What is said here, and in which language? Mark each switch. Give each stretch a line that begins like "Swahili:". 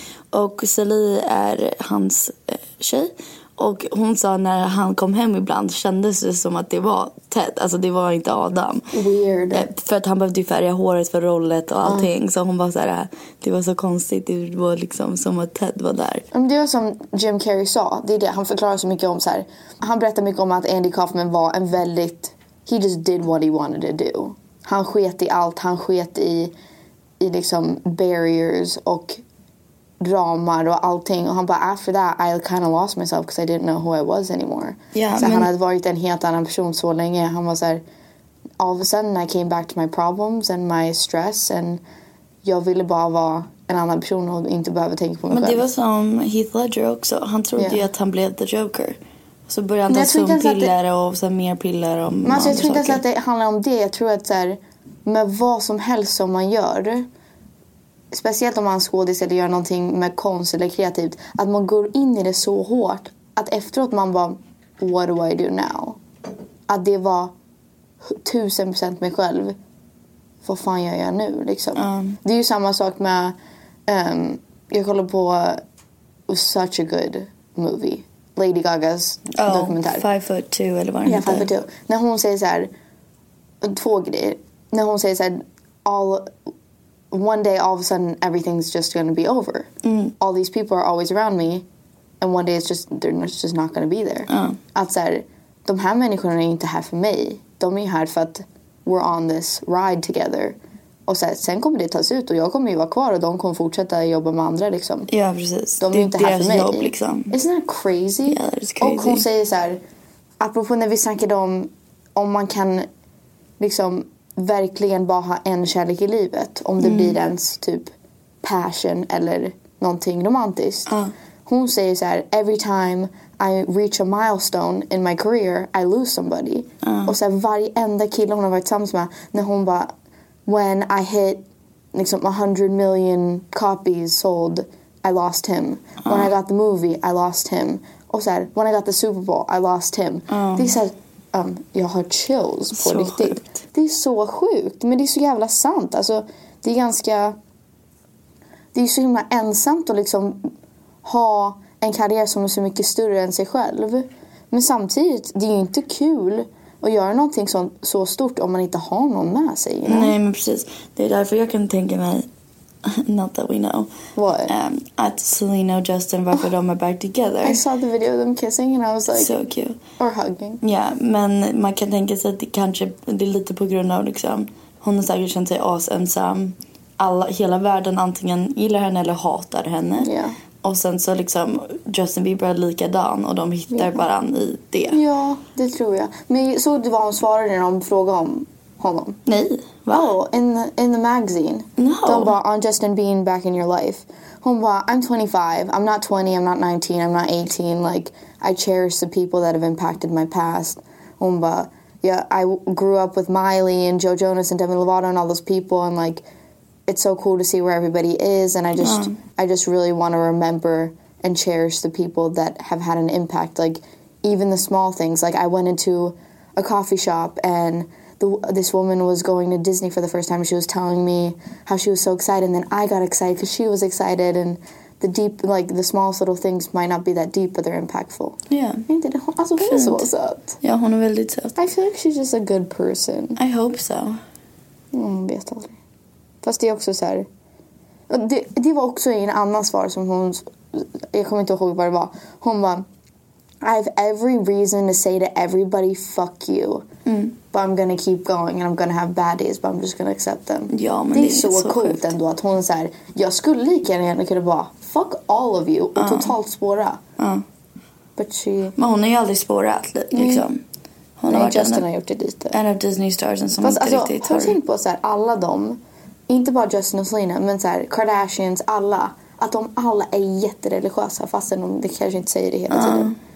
Swedish: Och Celia är hans tjej. Och hon sa när han kom hem ibland kändes det som att det var Ted. Alltså det var inte Adam.
English: Weird.
Swedish: För att han behövde ju färga håret för rollet och allting. Så hon bara så här, det var så konstigt. Det var liksom som att Ted var där. Det var som Jim Carrey sa. Det är det. Han förklarar så mycket om så här. Han berättar mycket om att Andy Kaufman var en väldigt...
English: He just did what he wanted to do.
Swedish: Han sket i allt. Han sket i liksom barriers och... dramar och allting. Och han bara,
English: after that I kind of lost myself because I didn't know who I was anymore. Yeah,
Swedish: så men... han hade varit en helt annan person så länge. Han var så här,
English: all of a sudden I came back to my problems and my stress and
Swedish: jag ville bara vara en annan person och inte behöva tänka på mig men själv. Det var som Heath Ledger också. Han trodde ju att han blev The Joker. Så började han ta som piller det... och sen mer piller. Men jag tror inte ens att det handlar om det. Jag tror att så här, med vad som helst som man gör, speciellt om man skådis eller gör någonting med konst eller kreativt, att man går in i det så hårt att efteråt man bara,
English: what do I do now?
Swedish: Att det var 1000% mig själv. Vad fan gör jag nu? Liksom. Det är ju samma sak med jag kollar på
English: such a good movie.
Swedish: Lady Gagas dokumentär. 5'2" eller vad det heter. Ja, 5'2". När hon säger så här, två grejer. När hon säger så här,
English: all... One day, all of a sudden, everything's just going to be over. Mm. All these people are always around me. And one day, they're just not going to be there.
Swedish: Att så här, de här människorna är inte här för mig. De är här för att
English: we're on this ride together.
Swedish: Och så här, sen kommer det tas ut och jag kommer ju vara kvar. Och de kommer fortsätta jobba med andra, liksom. Ja, precis. De är inte här för mig. Jobb, liksom.
English: Isn't that crazy? Yeah, that's crazy.
Swedish: Och hon säger så här, apropå när vi snackade om man kan, liksom... verkligen bara ha en kärlek i livet om det blir ens typ passion eller någonting romantiskt. Hon säger så här,
English: every time I reach a milestone in my career I lose somebody.
Swedish: Och så här, varje enda kille hon har varit tillsammans med, när hon bara,
English: when I hit
Swedish: liksom
English: 100 million copies sold I lost him. When I got the movie I lost him.
Swedish: Och så här,
English: when I got the Super Bowl I lost him.
Swedish: Det är så här, jag har chills på så riktigt. Sjukt. Det är så sjukt, men det är så jävla sant. Alltså, det är ganska... Det är så himla ensamt att liksom ha en karriär som är så mycket större än sig själv. Men samtidigt, det är ju inte kul att göra någonting så stort om man inte har någon med sig.
English: You know?
Swedish: Nej, men precis. Det är därför jag kan tänka mig...
English: Not that we know. What?
Swedish: At Selena och Justin, varför de är
English: back together. I saw the video of them kissing and I was like... So cute. Or hugging.
Swedish: Ja, yeah, men man kan tänka sig att det kanske... Det är lite på grund av liksom... Hon har säkert känt sig asensam. Hela världen antingen gillar henne eller hatar henne. Ja. Yeah. Och sen så liksom... Justin Bieber är likadan och de hittar varann i det. Ja, det tror jag. Men så det var hon svarade när de frågade om honom. Nej.
English: Oh, in the magazine. No. Ba, on Justin being back in your life.
Swedish: Hon ba,
English: I'm 25. I'm not 20. I'm not 19. I'm not 18. Like, I cherish the people that have impacted my past.
Swedish: Hon ba,
English: yeah, I grew up with Miley and Joe Jonas and Demi Lovato and all those people. And, like, it's so cool to see where everybody is. And I just really want to remember and cherish the people that have had an impact. Like, even the small things. Like, I went into a coffee shop and... This woman was going to Disney for the first time. She was telling me how she was so excited, and then I got excited because she was excited. And the deep, like the smallest little things, might not be that deep, but they're impactful. Yeah.
Swedish: Inte det. Also, yeah, hon är väldigt söt.
English: I feel like she's just a good person. I hope so.
Swedish: Vet aldrig. Fast det är också så här. Det var också en annan svar som hon. Jag kommer inte ihåg vad det var. Hon var.
English: I have every reason to say to everybody, fuck you. Mm. But I'm gonna keep going and I'm gonna have bad days, but I'm just gonna accept them.
Swedish: Ja, men det är så coolt ändå att hon säger, jag skulle lika gärna kunna vara,
English: fuck all of you,
Swedish: och totalt spåra. Men hon är ju aldrig spårat, liksom. Mm. Hon har Justin har gjort det lite. En av Disney stars som inte alltså, riktigt har... Fast alltså, har tänkt på såhär, alla dem, inte bara Justin och Selena, men såhär, Kardashians, alla, att de alla är jättereligiösa, fastän de kanske inte säger det hela tiden.